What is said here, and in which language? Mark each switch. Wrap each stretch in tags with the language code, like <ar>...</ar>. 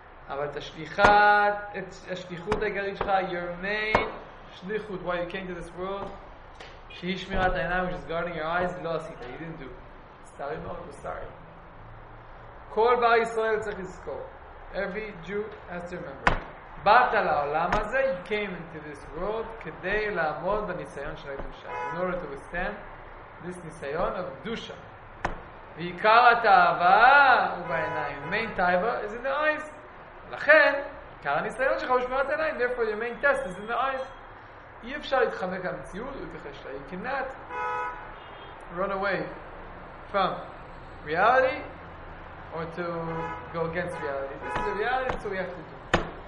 <he>אבל את השליחת, את השליחות הגרית שלך,</he> <en>your main שליחות, why you came to this world,</en> <he>שהיא שמירת העיניים,</he> <en>which is guarding your eyes,</en> <he>לא עשית,</he> <en>you didn't do.</en> <he>סתרים מאוד, סתרי. כל בר ישראל צריך לזכור.</he> <en>Every Jew has to remember.</en> <he>באת לעולם הזה,</he> <en>you came into this world</en> <he>כדי לעמוד בניסיון של הקדושה.</he> <en>In order to withstand this ניסיון of קדושה.</en> <he>ועיקר התאווה הוא בעיניים.</he> <en>Main תאווה is in the eyes.</en> <he>לכן, עיקר הניסיון שלך הוא שמירת עיניים.</he> <en>Therefore, your main test is in the eyes.</en> <he>אי אפשר להתחמק על המציאות ולהתכחש לה.</he> <en>You cannot run away from reality. Or to go against reality. This is the reality, so we have to do.</en>